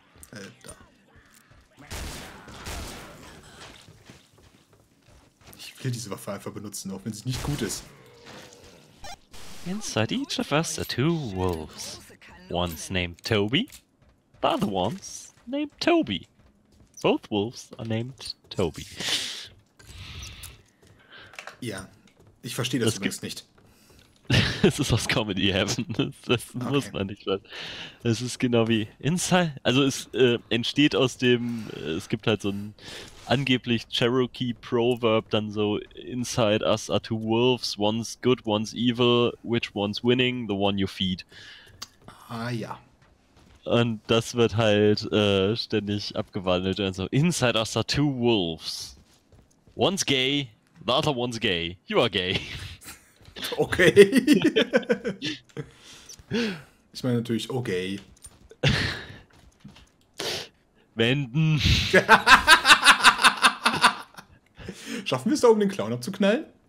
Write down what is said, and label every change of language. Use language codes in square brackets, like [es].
[de] Alter. Ich will diese Waffe einfach benutzen, auch wenn sie nicht gut ist. [en] Inside each of us are two wolves. One's named Toby, the other one's named Toby. Both wolves are named Toby. [de] Ja, ich verstehe das übrigens nicht. Es ist aus Comedy Heaven. Das okay. Muss man nicht sagen. Es ist genau wie Inside. Also es entsteht aus dem, es gibt halt so ein angeblich Cherokee Proverb, dann so [en] Inside us are two wolves, one's good, one's evil, which one's winning, the one you feed. [de] Ah ja. Und das wird halt ständig abgewandelt. [en] Also Inside us are two wolves. One's gay, the other one's gay. You are gay. Okay. [de] Ich meine natürlich, okay. Wenden. Schaffen wir es da, um den Clown abzuknallen?